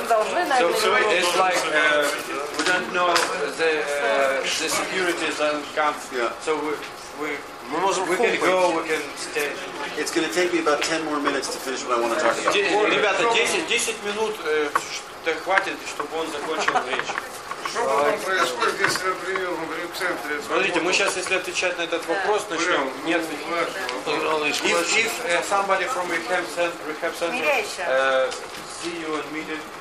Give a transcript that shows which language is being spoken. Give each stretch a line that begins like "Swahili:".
English: So it's like we don't know the security doesn't come. Yeah. So we can go, we can stay. It's going to take me about 10 more minutes to finish what I want to talk about.
Russian: Ребята, 10 минут хватит, чтобы он закончил речь. Что потом происходит, если, например, в рюкзентре? Смотрите, мы сейчас, если отвечать на этот вопрос, начнем. Нет,
English: if somebody from rehab center see you and meet it,